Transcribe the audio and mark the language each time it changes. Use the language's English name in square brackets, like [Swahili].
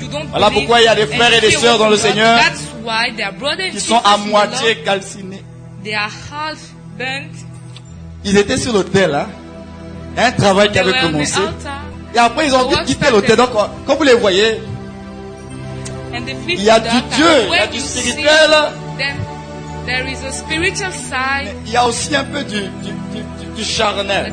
[French] Voilà pourquoi il y a des frères et des sœurs dans le Seigneur qui sont à moitié calcinés. [English] They are half burnt. [French] Ils étaient sur l'autel, hein? Un travail qui avait commencé. Et après, ils ont dû quitter l'autel. Donc, quand vous les voyez, il y a du Dieu, il y a du spirituel. [English] There is a spiritual side. [French] Il y a aussi un peu du charnel.